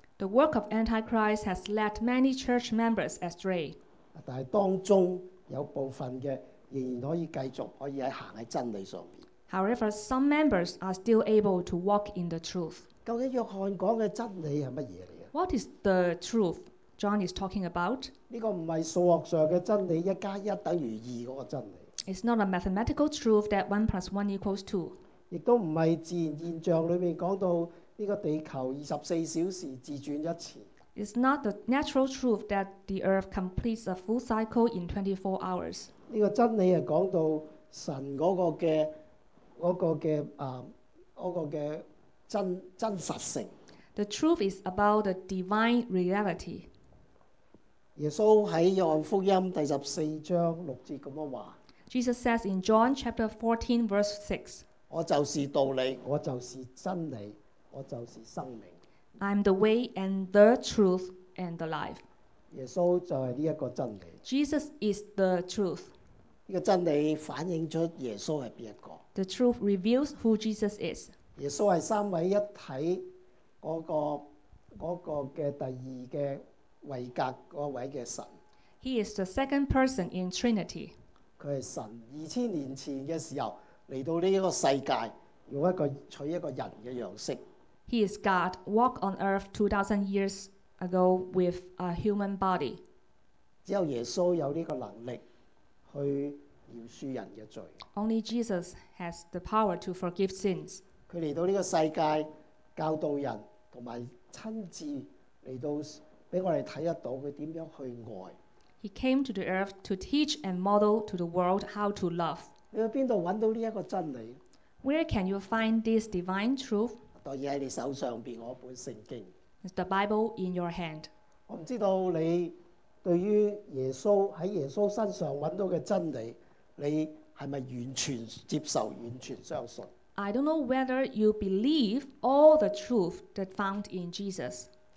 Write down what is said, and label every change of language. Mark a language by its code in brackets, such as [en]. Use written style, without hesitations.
[en] The work of Antichrist has led many church members astray. [zh] 但是当中有部分的仍然可以继续可以行在真理上面。 [en] However, some members are still able to walk in the truth. [zh] 究竟约翰讲的真理是什么来的 [en] ?What is the truth? John is talking about. [zh] 这个不是数学上的真理，一加一等于二的真理。 [en] It's not a mathematical truth that one plus one equals two. [zh] 也都不是自然现象里面讲到这个地球24小时自转一次。 [en] It's not the natural truth that the earth completes a full cycle in 24 hours. [zh] 这个真理是讲到神那个的真实性。 [en] The truth is about the divine reality. [zh] 耶稣在约翰福音第十四章六节这么说。 [en] Jesus says in John chapter 14 verse 6, [zh] 我就是道理，我就是真理，我就是生命。 [en] I'm the way and the truth and the life. [zh] 耶稣就是这个真理。 [en] Jesus is the truth. [zh] 这个真理反映出耶稣是哪个。 [en] The truth reveals who Jesus is. [zh] 耶稣是三位一体那个第二的位格那位的神。 [en] He is the second person in Trinity. [zh] 他是神2000年前的时候来到这个世界用一个取一个人的样式。 [en] He is God, walked on earth 2000 years ago with a human body. [zh] 只有耶稣有这个能力去饶恕人的罪。 [en] Only Jesus has the power to forgive sins. [zh] 他来到这个世界教导人，和亲自来到给我们看得到他怎样去爱。 [en] He came to the earth to teach and model to the world how to love. [zh] 你去哪里找到这个真理？ [en] Where can you find this divine truth? [zh] 当然在你手上边，我一本圣经。 [en] It's the Bible in your hand. [zh] 我不知道你对于耶稣在耶稣身上找到的真理，你是不是完全接受、完全相信 [en] ？I don't know whether you believe all the truth that found in Jesus.